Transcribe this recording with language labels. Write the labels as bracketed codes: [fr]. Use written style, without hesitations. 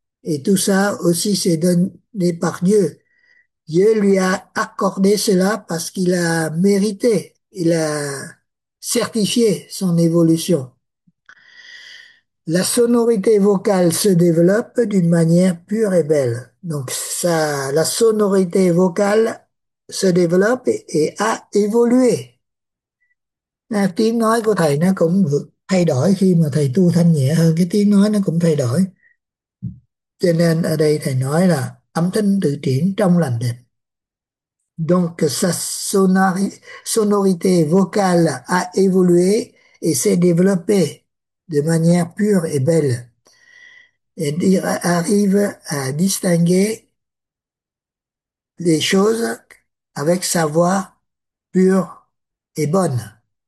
[fr] Et tout ça aussi, c'est donné par Dieu. Dieu lui a accordé cela parce qu'il a mérité, il a certifié son évolution. La sonorité vocale se développe d'une manière pure et belle. Donc ça, la sonorité vocale se développe et a évolué. [vi] Là, tiếng nói của thầy nó cũng thay đổi, khi mà thầy tu thanh nhẹ hơn cái tiếng nói nó cũng thay đổi. Cho nên ở đây thầy nói là âm thanh tự triển trong lành đẹp. [fr] Donc sa sonorité vocale a évolué et s'est développée de manière pure et belle. Et arrive à distinguer les choses avec sa voix pure et bonne.